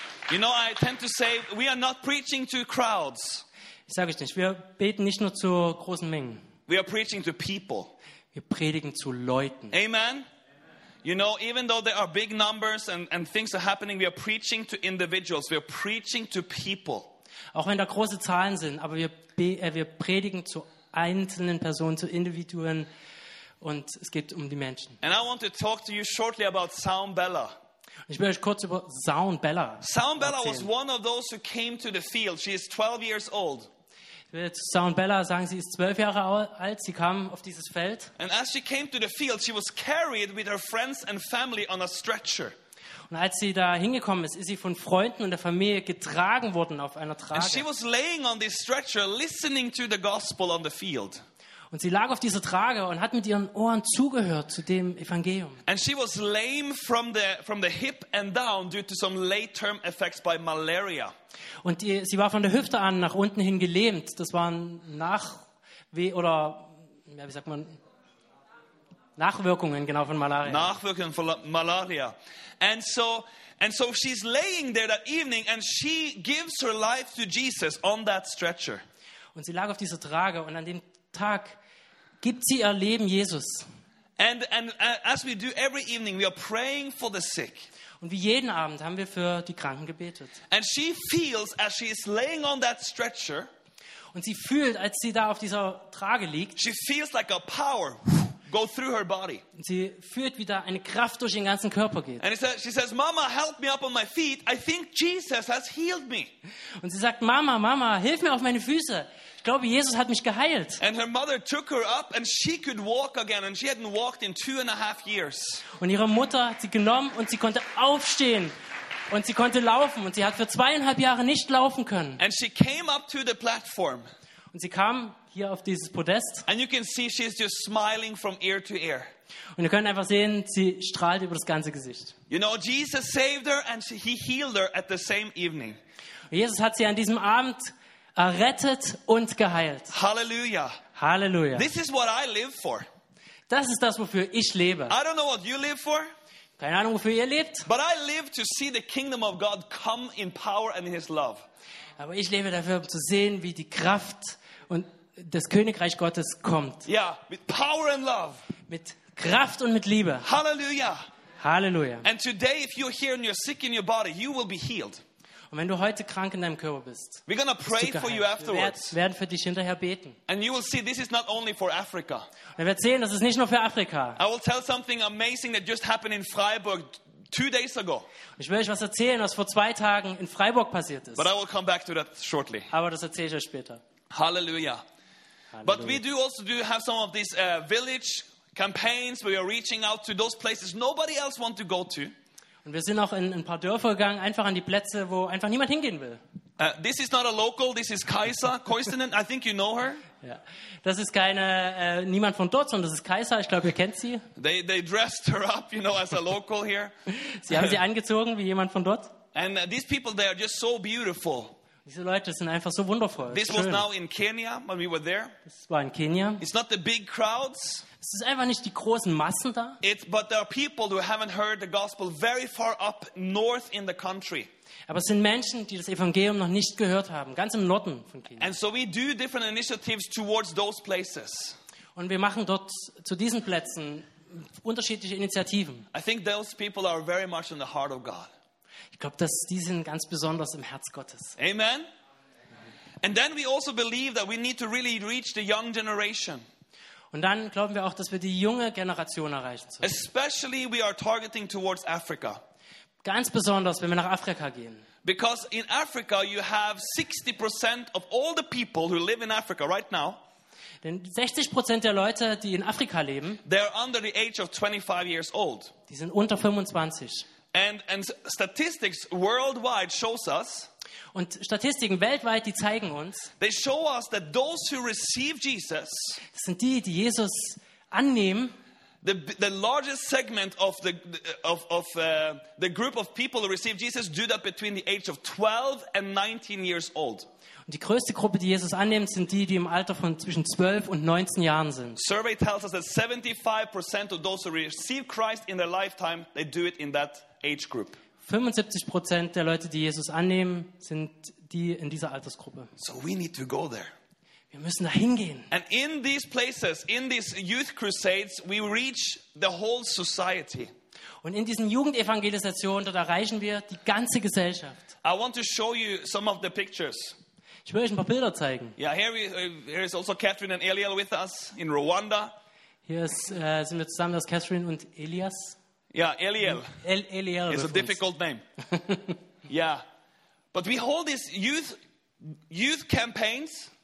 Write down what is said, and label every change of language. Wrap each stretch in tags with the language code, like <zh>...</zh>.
<en>You know, I tend to say we are not preaching to crowds.</en> <de>Ich sage es nicht. Wir beten nicht nur zu großen Mengen.</de> <en>We are preaching to people.</en> <de>Wir predigen zu Leuten.</de> <en>Amen. You know, even though there are big numbers and things are happening, we are preaching to individuals. We are preaching to people.</en> <de>Auch wenn da große Zahlen sind, aber wir predigen zu einzelnen Personen, zu Individuen. Und es geht um die Menschen.</de> <en>And I want to talk to you shortly about Sound Bella.</en> <de>Ich will euch kurz über Sound Bella erzählen.</de> <en>Sound Bella was one of those who came to the field. She is 12 years old.</en> <de>Ich will zu Sound Bella sagen, sie ist 12 Jahre alt. Sie kam auf dieses Feld.</de> <en>And as she came to the field, she was carried with her friends and family on a stretcher.</en> <de>Und als sie da hingekommen ist, ist sie von Freunden und der Familie getragen worden auf einer Trage.</de> <en>And she was laying on this stretcher, listening to the gospel on the field.</en> <de>Und sie lag auf dieser Trage und hat mit ihren Ohren zugehört zu dem Evangelium.</de> <en>And she was lame from the hip and down due to some late-term effects by malaria.</en> <de>Und sie war von der Hüfte an nach unten hin gelähmt. Das waren Nachweh oder ja, wie sagt man? Nachwirkungen genau von Malaria. Nachwirkungen von Malaria.</de> <en>And so she's laying there that evening and she gives her life to Jesus on that stretcher.</en> <de>Und sie lag auf dieser Trage und an dem Tag gibt sie ihr Leben Jesus.</de> <en>And as we do every evening, we are praying for the sick.</en> <de>Und wie jeden Abend haben wir für die Kranken gebetet.</de> <en>And she feels as she is laying on that stretcher.</en> <de>Und sie fühlt, als sie da auf dieser Trage liegt.</de> <en>She feels like a power go through her body.</en> <de>Und sie fühlt, wie da eine Kraft durch ihren ganzen Körper geht.</de> <en>And she says, "Mama, help me up on my feet. I think Jesus has healed me."</en> <de>Und sie sagt, Mama, hilf mir auf meine Füße. Ich glaube, Jesus hat mich geheilt.</de> <en>And her mother took her up and she could walk again and she hadn't walked in 2.5 years.</en> <de>Und ihre Mutter hat sie genommen und sie konnte aufstehen und sie konnte laufen und sie hat für 2.5 Jahre nicht laufen können.</de> <en>And she came up to the platform.</en> <de>Und sie kam hier auf dieses Podest.</de> <en>And you can see she is just smiling from ear to ear.</en> <de>Und ihr könnt einfach sehen, sie strahlt über das ganze Gesicht.</de> <en>You know, Jesus saved her and he healed her at the same evening.</en> <de>Und Jesus hat sie an diesem Abend errettet und geheilt.</de> <en>Halleluja.</en> <de>Halleluja.</de> <en>This is what I live for.</en> <de>Das ist das, wofür ich lebe.</de> <en>I don't know what you live for.</en> <de>Keine Ahnung, wofür ihr lebt.</de> <en>But I live to see the kingdom of God come in power and in his love.</en> <de>Aber ich lebe dafür, um zu sehen, wie die Kraft und das Königreich Gottes kommt.</de> <en>Yeah, with power and love.</en> <de>Mit Kraft und mit Liebe.</de> <en>Halleluja.</en> <de>Halleluja.</de> <en>And today, if you're here and you're sick in your body, you will be healed.</en> <de>Und wenn du heute krank in deinem Körper bist,</de> <en>we're gonna pray for you afterwards.</en> <de>Wir werden für dich hinterher beten.</de> <en>And you will see, this is not only for Africa.</en> <de>Wir werden sehen, das ist nicht nur für Afrika.</de> <en>I will tell something amazing that just happened in Freiburg 2 days ago.</en> <de>Ich will euch was erzählen, was vor 2 Tagen in Freiburg passiert ist.</de> <en>But I will come back to that shortly.</en> <de>Aber das erzähle ich euch später.</de> <en>Halleluja. But we do also do have some of these village campaigns where we are reaching out to those places nobody else wants to go to.</en> <de>Und wir sind auch in ein paar Dörfer gegangen, einfach an die Plätze, wo einfach niemand hingehen will.</de> <en>This is not a local, this is Kaisa Koistinen. I think you know her.</en> <de>Ja. Das ist keine niemand von dort, sondern das ist Kaisa. Ich glaube, ihr kennt sie.</de> <en>They dressed her up, you know, as a local here.</en> <de>Sie haben sie angezogen wie jemand von dort.</de> <en>And these people, they are just so beautiful.</en> <de>Diese Leute sind einfach so wundervoll.</de> <en>This was now in Kenya when we were there.</en> <de>Das war in Kenia.</de> <en>It's not the big crowds.</en> <de>Es ist einfach nicht die großen Massen da.</de> <en>But there are people who haven't heard the gospel very far up north in the country.</en> <de>Aber es sind Menschen, die das Evangelium noch nicht gehört haben, ganz im Norden von Kenia.</de> <en>And so we do different initiatives towards those places.</en> <de>Und wir machen dort zu diesen Plätzen unterschiedliche Initiativen.</de> <en>I think those people are very much in the heart of God.</en> <de>Ich glaube, dass die sind ganz besonders im Herz Gottes.</de> <en>Amen. And then we also believe that we need to really reach the young generation.</en> <de>Und dann glauben wir auch, dass wir die junge Generation erreichen sollen.</de> <en>Especially we are targeting towards Africa.</en> <de>Ganz besonders, wenn wir nach Afrika gehen.</de> <en>Because in Africa you have 60% of all the people who live in Africa right now.</en> <de>Denn 60% der Leute, die in Afrika leben,</de> <en>they are under the age of 25 years old.</en> <de>Die sind unter 25.</de> <en>And statistics worldwide shows us.</en> <de>Und Statistiken weltweit, die zeigen uns.</de> <en>They show us that those who receive Jesus.</en> <de>Das sind die, die Jesus annehmen.</de> <en>The largest segment of the group of people who receive Jesus do that between the age of 12 and 19 years old.</en> <de>Und die größte Gruppe, die Jesus annimmt, sind die, die im Alter von zwischen 12 und 19 Jahren sind.</de> <en>Survey tells us that 75% of those who receive Christ in their lifetime, they do it in that age group.</en> <de>75% der Leute, die Jesus annehmen, sind die in dieser Altersgruppe.</de> <en>So we need to go there.</en> <de>Wir müssen da hingehen.</de> <en>And in these places, in these youth crusades, we reach the whole society.</en> <de>Und in diesen Jugendevangelisationen, dort erreichen wir die ganze Gesellschaft.</de> <en>I want to show you some of the pictures.</en> <de>Ich will euch ein paar Bilder zeigen.</de> <en>Yeah, here is also Catherine and Eliel with us in Rwanda.</en> <de>Hier sind wir zusammen, das ist Catherine und Elias.</de> <en>Yeah, Eliel. Eliel is a difficult name. Yeah. But we hold these youth campaigns.</en>